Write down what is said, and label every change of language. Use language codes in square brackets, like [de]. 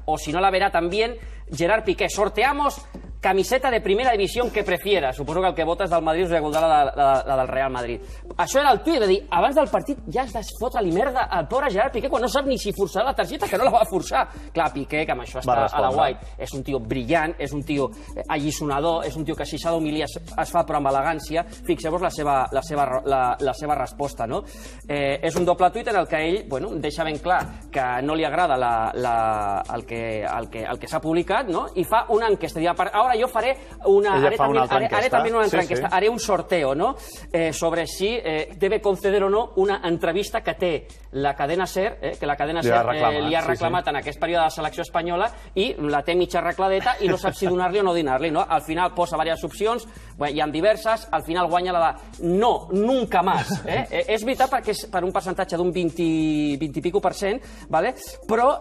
[es] O si no la verá también Gerard Piqué. Sorteamos camiseta de primera división que prefiera. [ca] Suposo que el que vota és del Madrid, us recordarà la del Real Madrid. Això era el tuit, va dir, abans del partit ja es desfota li merda al pobre Gerard Piqué quan no sap ni si forçarà la targeta, que no la va forçar. Clar, Piqué, que amb això està a la guai, és un tio brillant, és un tio allisonador, és un tio que si s'ha d'humiliar es fa però amb elegància. Fixeu-vos la seva resposta, no? És un doble tuit en el que ell, bueno, deixa ben clar que no li agrada el que s'ha publicat, no? I fa una enquesta, diu, ara jo faré una... Ara també una altra enquesta. [es] Haré un sorteo, no? Sobre si debe conceder o no una entrevista [ca] que té la cadena SER, [es] que la cadena SER [ca] li ha reclamat en aquest període de selecció espanyola i la té mitja arregladeta i no sap si donar-li o no donar-li, no? Al final posa diverses opcions, bé, hi ha diverses, al final guanya la de [es] no, nunca más. [ca] És veritat perquè és per un percentatge d'un 20% i pico, ¿vale? Però...